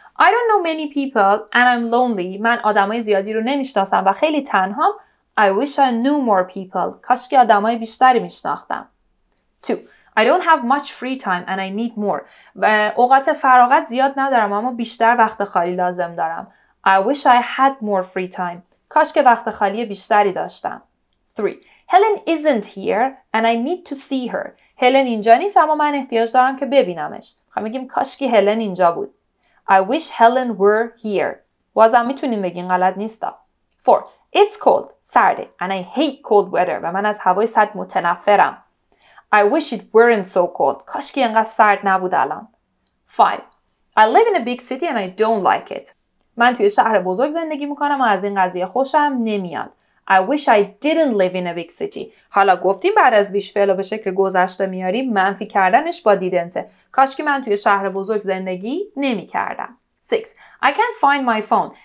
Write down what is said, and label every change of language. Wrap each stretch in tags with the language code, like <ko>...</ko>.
<en>I don't know many people and I'm lonely.</en> <fa>من آدمای زیادی رو نمیشناسم و خیلی تنهام.</fa> <en>I wish I knew more people.</en> <fa>کاش که آدمای بیشتری میشناختم. 2.</fa> <en>I don't have much free time and I need more.</en> <fa>اوقات فراغت زیاد ندارم اما بیشتر وقت خالی لازم دارم.</fa> <en>I wish I had more free time.</en> <fa>کاش که وقت خالی بیشتری داشتم. 3.</fa> <en>Helen isn't here and I need to see her.</en> <fa>هلن اینجا نیست اما من احتیاج دارم که ببینمش. خب میگیم کاش که هلن اینجا بود.</fa> <en>I wish Helen were here.</en> <fa>بازم میتونیم بگیم غلط نیستا.</fa> <en>4. It's cold.</en> <fa>سرده.</fa> <en>And I hate cold weather.</en> <fa>و من از هوای سرد متنفرم.</fa> <en>I wish it weren't so cold.</en> <fa>کاش که اینقدر سرد نبود الان.</fa> <en>5. I live in a big city and I don't like it.</en> <fa>من توی شهر بزرگ زندگی میکنم و از این قضیه خوشم نمیاد.</fa> <en>I wish I didn't live in a big city.</en> <fa>حالا گفتیم بعد از wish فعلا به شکل گذشته میاریم منفی کردنش با didn't. کاش که من توی شهر بزرگ زندگی نمی کردم.</fa> <en>6. I can't find my phone.</en>